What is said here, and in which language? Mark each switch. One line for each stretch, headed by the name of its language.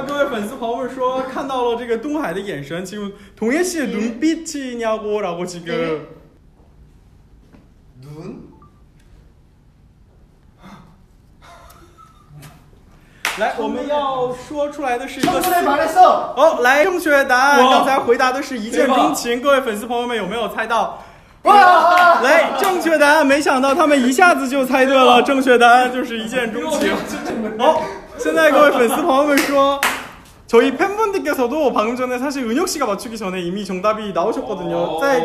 Korean: 뭐하는거야?
Chinese: 我看到各位粉丝朋友们说看到了这个东海的眼神
Korean: 지금 동해씨의 눈빛이냐고 라고 지금 눈?
Chinese: 来，我们要说出来的是一个。正确答案，刚才回答的是一见钟情。各位粉丝朋友们有没有猜到？哇！来，正确答案，没想到他们一下子就猜对了正确答案就是一见钟情。好，现在各位粉丝朋友们说。
Korean: 저희 팬분들께서 도 방금 전에 사실 은혁 씨가 맞추기 전에 이미 정답이 나오셨거든요.